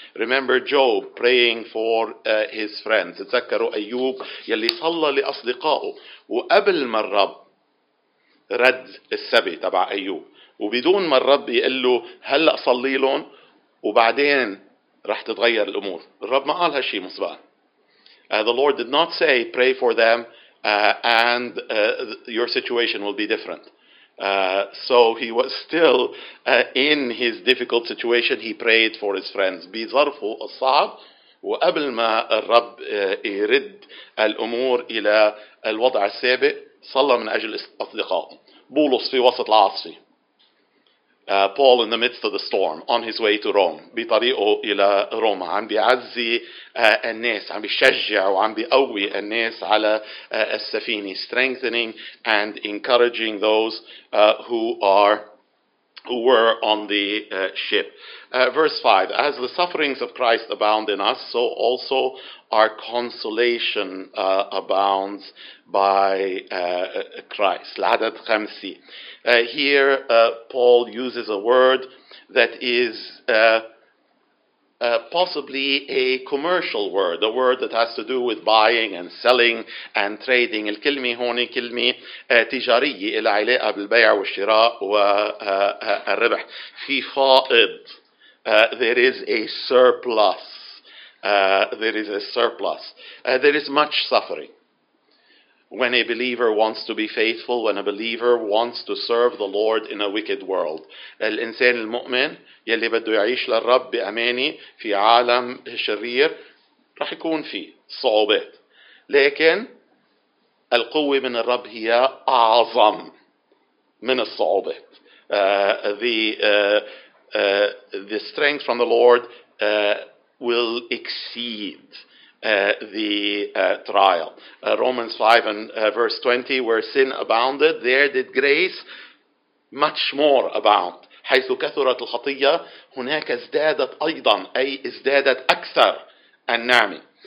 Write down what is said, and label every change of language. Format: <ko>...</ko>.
<en>Remember Job praying for his friends.</en> <ar>تذكروا أيوب يلي صلى لأصدقائه وقبل ما الرب رد السبي تبع أيوب وبدون ما الرب يقول له هلأ صلي لهم وبعدين رح تتغير الأمور. الرب ما قال هالشي مسبقا.</ar> <en>The Lord did not say pray for them and your situation will be different. So he was still in his difficult situation. He prayed for his friends.</en> <ar>بظرفه الصعب وقبل ما الرب يرد الأمور إلى الوضع السابق صلى من أجل أصدقائه. بولس في وسط العاصفة.</ar> <en>Paul in the midst of the storm on his way to Rome.</en> <ar>بطريقه إلى روما عم بيعزي الناس عم بيشجع وعم بيقوي الناس على السفينة</ar> <en>strengthening and encouraging those who were on the ship. Verse 5, as the sufferings of Christ abound in us, so also our consolation abounds by Christ.</en> <ar>العدد خمسي.</ar> <en>Here Paul uses a word that is possibly a commercial word, a word that has to do with buying and selling and trading.</en> <ar>الكلمة هون كلمة تجارية إلها علاقة بالبيع والشراء والربح. في فائض.</ar> <en>There is a surplus. There is a surplus. There is much suffering. When a believer wants to be faithful, when a believer wants to serve the Lord in a wicked world.</en> <ar>الإنسان المؤمن يلي بده يعيش للرب بأماني في عالم شرير رح يكون فيه صعوبات. لكن القوة من الرب هي أعظم من الصعوبات.</ar> <en>The strength from the Lord will exceed trial. Romans 5 and verse 20, where sin abounded, there did grace much more abound.</en> <ar>حيث كثرت الخطية هناك ازدادت أيضا أي ازدادت أكثر النعمة.</ar>